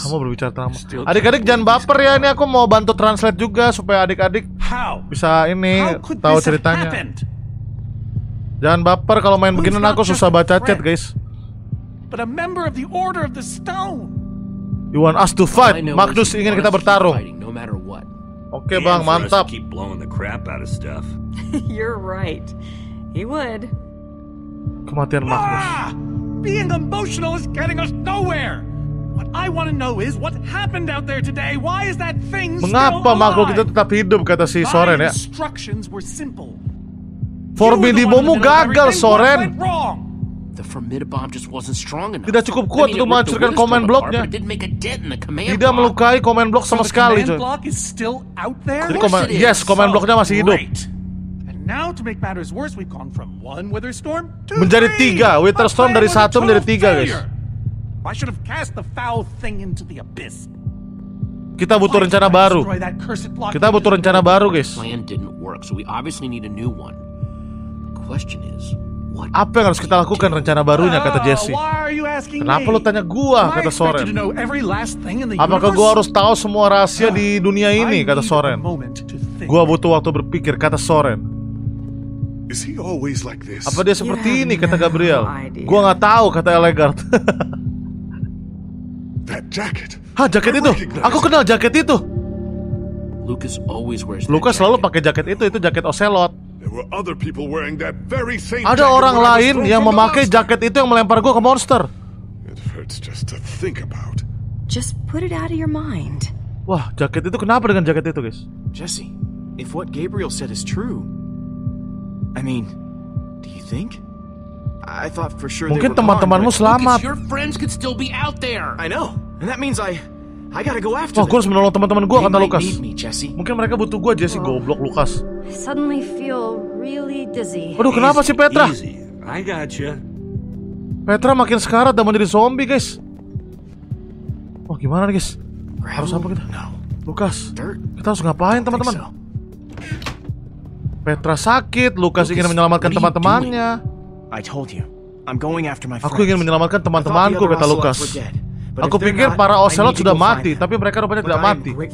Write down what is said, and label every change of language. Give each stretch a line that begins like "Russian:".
Indonesian: Kamu berbicara tentang adik-adik, jangan baper ya, ini aku mau bantu translate juga supaya adik-adik bisa ini tahu ceritanya. Jangan baper, kalau main beginian aku susah baca chat, guys.
English: But a member of the Order of the Stone. You want us to fight?
Indonesian: Magnus ingin kita bertarung. Okay, bang, mantap.
English: Keep blowing the crap out of stuff. You're right. He would.
Indonesian: Kematian Magnus. Ah!
English: Being emotional is getting us nowhere. What I want to know is what happened out there today. Why is that thing still
Indonesian: alive? Mengapa makhluk itu tetap hidup, kata si Soren, ya?
English: Instructions were simple.
Indonesian: Formidibomu gagal, Soren.
English: The Formidabomb just wasn't strong enough.
Indonesian: Tidak cukup kuat untuk menghancurkan command bloknya. Tidak melukai command block sama sekali.
English: Command block is still out there.
Indonesian: Yes, command bloknya masih hidup.
English: And now to make matters worse, we've gone from one weather storm to
Indonesian: menjadi tiga weather storm, dari satu menjadi tiga, guys.
English: I should have cast the foul thing into the abyss.
Indonesian: Kita butuh rencana baru. Kita butuh rencana baru, guys.
English: Plan didn't work, so we obviously need a new one. The question is, what?
Indonesian: Apa yang harus kita lakukan rencana barunya, kata Jesse? Kenapa lo tanya gua, kata Soren? Apakah gua harus tahu semua rahasia di dunia ini, kata Soren? Gua butuh waktu berpikir, kata Soren.
English: Is he always like this?
Indonesian: Apa dia seperti ini, kata Gabriel? Gua enggak tahu, kata Elegard.
English: That jacket.
Indonesian: Hah, jaket itu? Aku kenal jaket itu.
English: Lucas always wears.
Indonesian: Lucas selalu pakai jaket itu. Itu jaket Ocelot.
English: There were other people wearing that very same jacket.
Indonesian: Ada orang lain yang memakai jaket itu yang melempar gua ke monster.
English: It hurts just to think about. Just put it out of your mind.
Indonesian: Wah, jaket itu kenapa dengan jaket itu, guys?
English: Jesse, if what Gabriel said is true, I mean, do you think? I thought for sure
Indonesian: mungkin
English: they were
Indonesian: teman-temanmu selamat.
English: Your friends could still be out there. I know. And that means I gotta go after.
Indonesian: Wah, gua harus menolong teman-teman gua, kata Lucas. Mungkin mereka butuh gua, Jesse. Goblok, Lucas.
English: I suddenly feel really dizzy.
Indonesian: Aduh, kenapa sih Petra?
English: I got you.
Indonesian: Petra makin sekarat dan menjadi zombie, guys. Wah, gimana nih, guys? Harus apa kita?
English: No.
Indonesian: Lucas, kita harus ngapain, teman-teman? Petra sakit, Lucas ingin menyelamatkan teman-temannya.
English: I told you, I'm going after my friends.
Indonesian: Aku ingin menyelamatkan teman-temanku, kata Lucas. Aku pikir para Ocelot sudah mati, tapi mereka rupanya tidak mati.